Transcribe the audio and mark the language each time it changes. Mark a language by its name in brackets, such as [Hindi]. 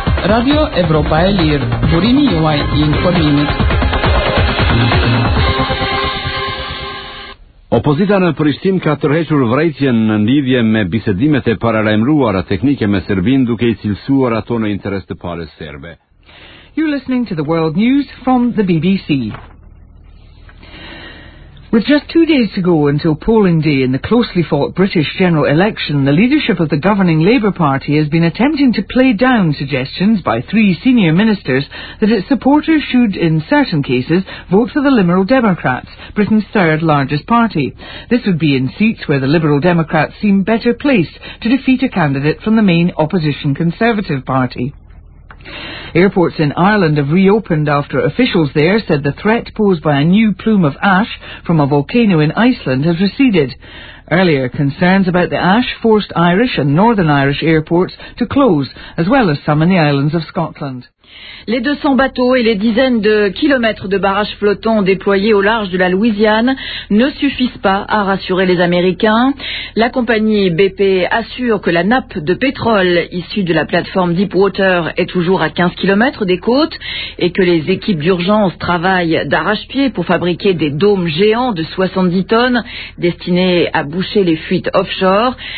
[Albanian] Radio Evropa e Lirë, burimi juaj i informimit. Opozita në Prishtinë ka tërhequr vërejtjen në lidhje me bisedimet e paralajmëruara teknike me Serbinë, duke i cilësuar ato në interes të palës serbe. [English] You're listening to the World News from the BBC. With just 2 days to go until polling day in the closely fought British general election, the leadership of the governing Labour Party has been attempting to play down suggestions by 3 senior ministers that its supporters should, in certain cases, vote for the Liberal Democrats, Britain's third largest party. This would be in seats where the Liberal Democrats seem better placed to defeat a candidate from the main opposition Conservative Party. Airports in Ireland have reopened after officials there said the threat posed by a new plume of ash from a volcano in Iceland has receded. Earlier, concerns about the ash forced Irish and Northern Irish airports to close, as well as some in the islands of Scotland. [French] Les 200 bateaux et les dizaines de kilomètres de barrages flottants déployés au large de la Louisiane ne suffisent pas à rassurer les Américains. La compagnie BP assure que la nappe de pétrole issue de la plateforme Deepwater est toujours à 15 kilomètres des côtes et que les équipes d'urgence travaillent d'arrache-pied pour fabriquer des dômes géants de 70 tonnes destinés à boucher les fuites offshore.